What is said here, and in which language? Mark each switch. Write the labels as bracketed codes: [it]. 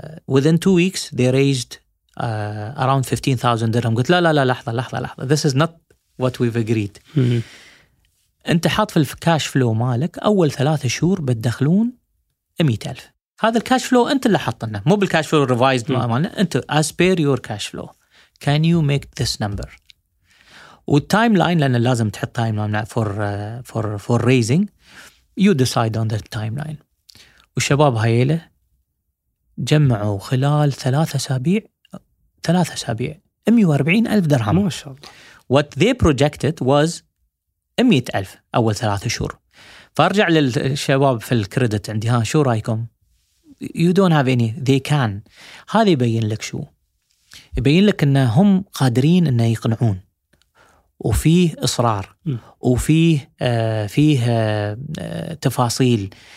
[en] within 2 weeks they raised around 15,000 [ar] درهم قلت لا لحظة [en] this is not what we've agreed [ar] انت حاط في الكاش فلو مالك اول 3 شهور بتدخلون 100,000 هذا الكاش فلو انت اللي حاطنا مو بالكاش فلو ريفايزد مالنا انت [en] as per your cash flow can you make this number [ar] والتايم لاين لان لازم تحط تايم لاين [en] for raising you decide on the timeline [ar] والشباب هايله جمعوا خلال 3 اسابيع 140,000 درهم ما شاء الله [en] What they projected was 100,000 [ar] أول 3 شهور. فأرجع للشباب في الكريدت عندي ها شو رأيكم؟ [en] You don't have any. They can. [ar] هذا يبين لك شو؟ يبين لك إن هم قادرين إن يقنعون. وفيه إصرار. وفيه فيه تفاصيل.